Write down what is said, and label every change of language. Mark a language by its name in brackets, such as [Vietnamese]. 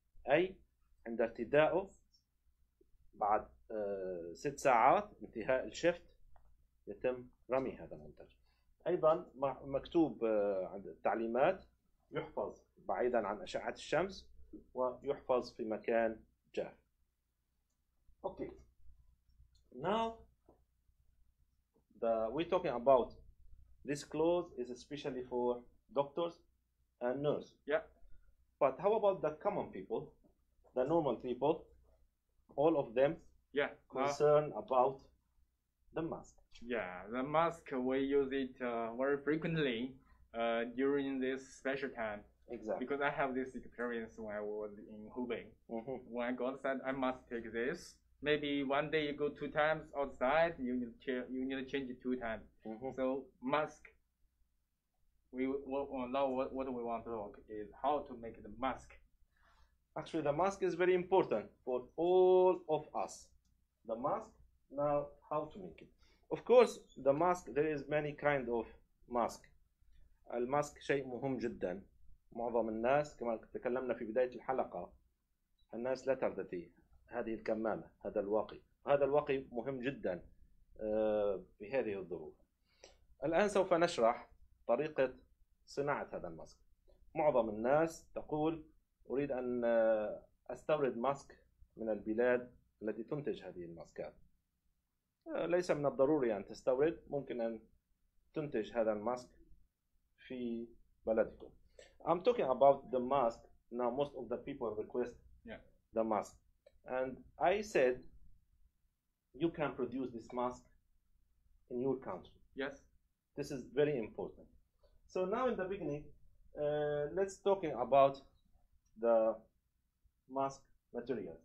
[Arabic] أي عند ارتدائه بعد 6 ساعات انتهاء الشفت يتم رمي هذا المنتج. ايضا مكتوب عند التعليمات يحفظ بعيدا عن اشعة الشمس ويحفظ في مكان جاف. [English] Okay. Now we're talking about this clothes is especially for doctors and nurses. Yeah. But how about the common people? The normal people, all of them, yeah, concerned about the mask. Yeah, the mask, we use it very frequently during this special time. Exactly. Because I have this experience when I was in Hubei. Mm-hmm. When God said, I must take this. Maybe one day you go 2 times outside, you need to change it 2 times. Mm-hmm. So mask, what we want to talk is how to make the mask. Actually, the mask is very important for all of us. The mask, now how to make it? Of course, the mask, there is many kind of mask. [Arabic] المسك شيء مهم جدا. معظم الناس كما تكلمنا في بداية الحلقة الناس لا ترتدي هذه الكمامة هذا الواقي. هذا الواقي مهم جدا في هذه الظروف. الآن سوف نشرح طريقة صناعة هذا المسك. معظم الناس تقول أريد أن أستورد ماسك من البلاد التي تنتج هذه الماسكات. ليس من الضروري أن تستورد، ممكن أن تنتج هذا الماسك في بلدكم. [English] I'm talking about the mask. Now most of the people request the mask. And I said, you can produce this mask in your country. Yes. This is very important. So now in the beginning, let's talking about the mask material.